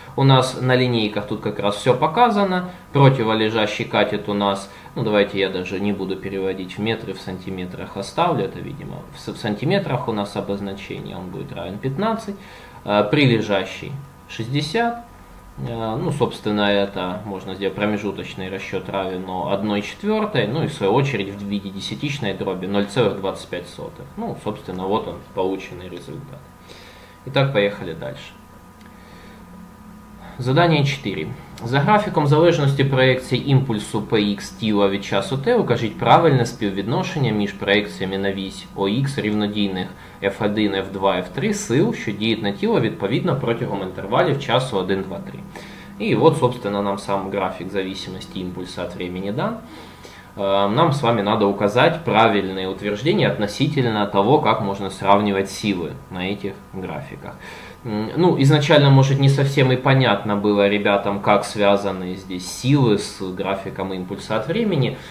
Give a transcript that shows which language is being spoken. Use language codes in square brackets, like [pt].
[ru] У нас на линейках тут как раз все показано. Противолежащий катет у нас, ну давайте я даже не буду переводить в метры, в сантиметрах оставлю, это видимо в сантиметрах у нас обозначение, он будет равен 15, прилежащий 60, ну собственно это можно сделать промежуточный расчет равен 1/4, ну и в свою очередь в виде десятичной дроби 0,25. Ну собственно вот он полученный результат. Итак, поехали дальше. Задание 4. [uk] За графиком залежності проекції імпульсу Px t у від часу t укажіть правильне співвідношення між проекціями на вісь Ox рівнодійних f1, f2, f3 сил, що діють на тіло відповідно протягом інтервалів часу 1, 2, 3. І от, [ru] собственно, [uk] нам сам графік залежності імпульсу від часу дан. [ru] Нам с вами надо указать правильные утверждения относительно того, как можно сравнивать силы на этих графиках. Ну, изначально, может, не совсем и понятно было ребятам, как связаны здесь силы с графиком импульса от времени.